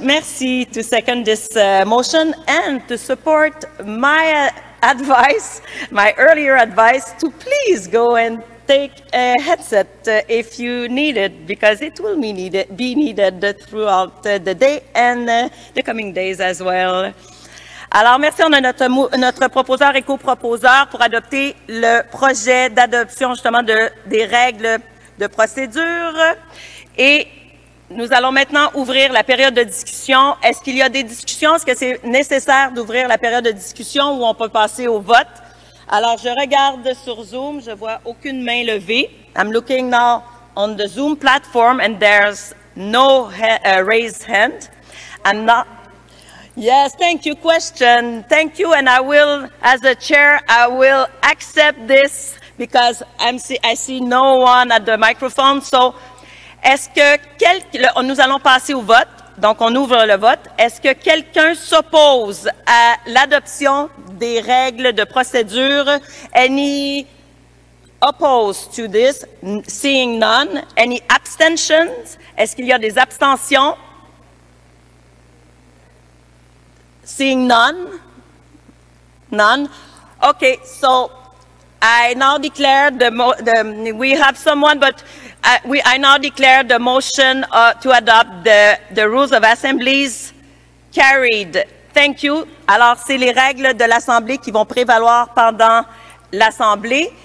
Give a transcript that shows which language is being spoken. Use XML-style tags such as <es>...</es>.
<en>Merci to second this motion and to support my advice, my earlier advice, to please go and take a headset if you need it, because it will be needed throughout the day and the coming days as well.</en> <fr>Alors, merci. On a notre proposeur et coproposeur pour adopter le projet d'adoption, justement, des règles de procédure. Et nous allons maintenant ouvrir la période de discussion. Est-ce qu'il y a des discussions? Est-ce que c'est nécessaire d'ouvrir la période de discussion ou on peut passer au vote? Alors, je regarde sur Zoom. Je vois aucune main levée.</fr> <en>I'm looking now on the Zoom platform and there's no raised hand. I'm not... Yes, thank you, question. Thank you, and I will, as a chair, I will accept this because I see no one at the microphone.</en> <fr>So, nous allons passer au vote. Donc, on ouvre le vote. Est-ce que quelqu'un s'oppose à l'adoption des règles de procédure?</fr> <en>Any opposed to this? Seeing none. Any abstentions?</en> <fr>Est-ce qu'il y a des abstentions?</fr> <en>Seeing none. Okay, so I now declare the motion to adopt the rules of assemblies carried. Thank you.</en> <fr>Alors, c'est les règles de l'Assemblée qui vont prévaloir pendant l'Assemblée.</fr>